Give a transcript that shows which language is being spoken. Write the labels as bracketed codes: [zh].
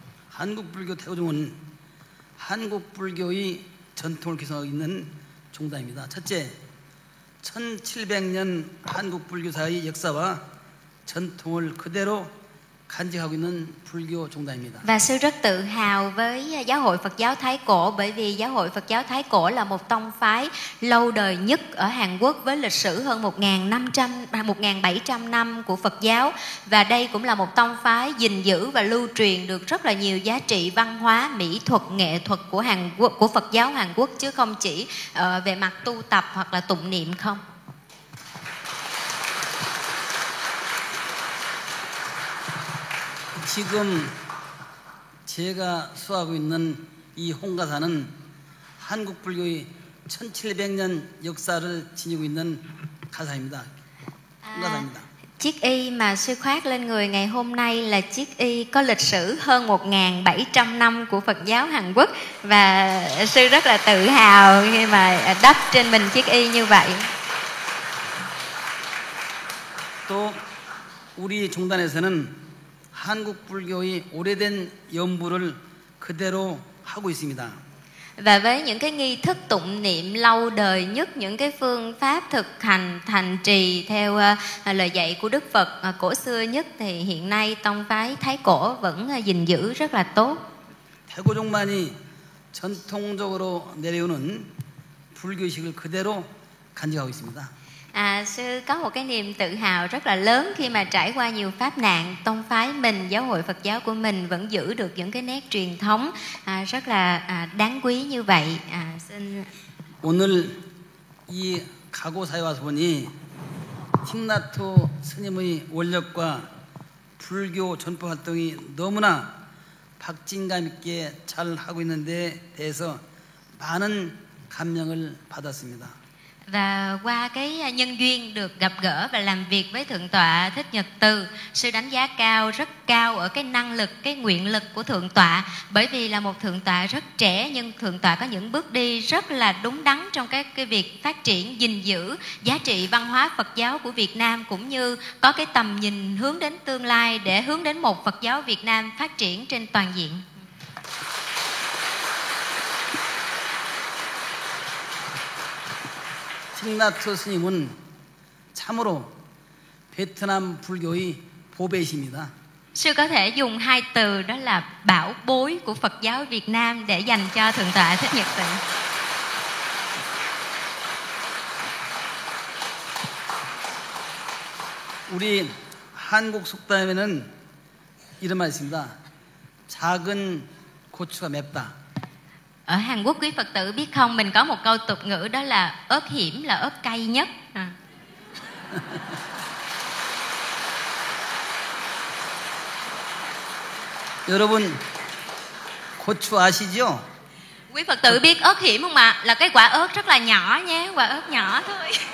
[ko] 한국 불교 태고종은 한국 불교의 전통을 계승하고 있는 종단입니다. 첫째, 1700년 한국 불교사의 역사와 전통을 그대로 간직하고 있는 불교 종단입니다. [vi] Và sư rất tự hào với giáo hội Phật giáo Thái cổ bởi vì giáo hội Phật giáo Thái cổ là một tông phái lâu đời nhất ở Hàn Quốc với lịch sử hơn 1.700 năm của Phật giáo, và đây cũng là một tông phái gìn giữ và lưu truyền được rất là nhiều giá trị văn hóa, mỹ thuật, nghệ thuật của Hàn Quốc, của Phật giáo Hàn Quốc, chứ không chỉ về mặt tu tập hoặc là tụng niệm không. [ko] 지금 제가 수하고 있는 이 홍가사는 한국 불교의 1700년 역사를 지니고 있는 가사입니다. 홍가사입니다. [vi] Chiếc y mà sư khoác lên người ngày hôm nay là chiếc y có lịch sử hơn 1.700 năm của Phật giáo Hàn Quốc, và sư rất là tự hào khi mà đắp trên mình chiếc y như vậy. [ko] 또 우리 종단에서는 한국 불교의 오래된 연부를 그대로 하고 있습니다. [vi] Và với những cái nghi thức tụng niệm lâu đời nhất, những cái phương pháp thực hành thành trì theo lời dạy của Đức Phật cổ xưa nhất, thì hiện nay tông phái Thái cổ vẫn gìn giữ rất là tốt. [ko] 태고종만이 전통적으로 내려오는 불교식을 그대로 간직하고 있습니다. [vi] À, sư có một cái niềm tự hào rất là lớn khi mà trải qua nhiều pháp nạn, tông phái mình, giáo hội Phật giáo của mình vẫn giữ được những cái nét truyền thống rất là đáng quý như vậy. À, xin [ko] 오늘 이 가고사에 와서 보니 틱나토 스님의 원력과 불교 전파 활동이 너무나 박진감 있게 잘 하고 있는데 대해서 많은 감명을 받았습니다. [vi] Và qua cái nhân duyên được gặp gỡ và làm việc với Thượng tọa Thích Nhật Từ, sư đánh giá cao, rất cao ở cái năng lực, cái nguyện lực của Thượng tọa. Bởi vì là một Thượng tọa rất trẻ, nhưng Thượng tọa có những bước đi rất là đúng đắn trong cái việc phát triển, gìn giữ giá trị văn hóa Phật giáo của Việt Nam, cũng như có cái tầm nhìn hướng đến tương lai để hướng đến một Phật giáo Việt Nam phát triển trên toàn diện. [ko] 틱나트 스님은 참으로 베트남 불교의 보배이십니다. [vi] Sư có thể dùng hai từ đó là bảo bối của Phật giáo Việt Nam để dành cho Thượng tọa Thích Nhật Từ. [ko] 우리 한국 속담에는 이런 말 있습니다. 작은 고추가 맵다. [vi] Ở Hàn Quốc, quý Phật tử biết không, mình có một câu tục ngữ đó là ớt hiểm là ớt cay nhất. [en] Everyone, [ko] 고추 아시죠? [vi] Quý Phật tử biết ớt hiểm không ạ? Là cái quả ớt rất là nhỏ nhé, quả ớt nhỏ thôi.